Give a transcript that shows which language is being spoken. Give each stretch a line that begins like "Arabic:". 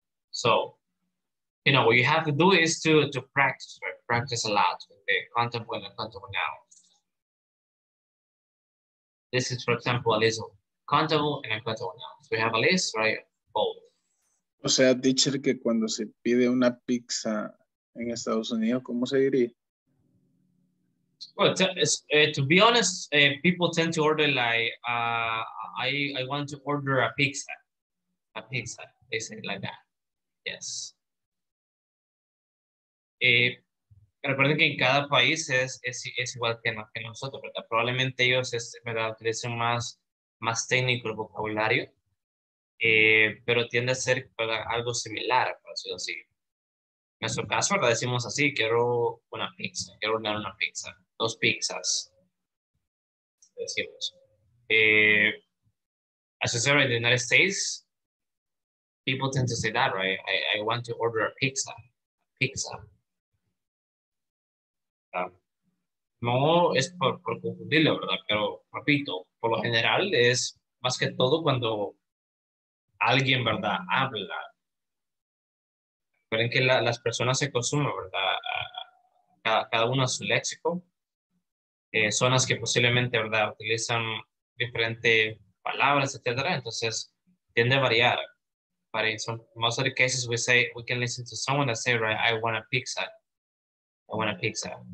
English: So, you know, what you have to do is to practice, right? Practice a lot with the contable and the countable noun. This is, for example, a list of countable and uncountable nouns. We have a list, right? Both.
Spanish: O sea, teacher, que cuando se pide una pizza en Estados Unidos, ¿cómo se diría?
English: Well, to be honest, people tend to order like, I want to order a pizza. A pizza, they say like that. Yes.
Spanish: Recuerden que en cada país es igual que nosotros, ¿verdad? Probablemente ellos utilicen más técnico el vocabulario, pero tiende a ser algo similar, por decirlo así. En nuestro caso, ¿verdad? Decimos así, quiero ordenar una pizza, dos pizzas, decimos.
English: As you said, in the United States, people tend to say that, right? I want to order a pizza.
Spanish: No es por confundirlo, ¿verdad? Pero repito, por lo general es más que todo cuando alguien, ¿verdad?, habla. Recuerden que las personas se acostumbran, ¿verdad? Cada uno a su léxico. Son las que posiblemente, ¿verdad?, utilizan diferentes palabras, etcétera. Entonces, tiende a variar.
English: But in most of the cases, we can listen to someone that say, right, I want a pizza. I want a pizza.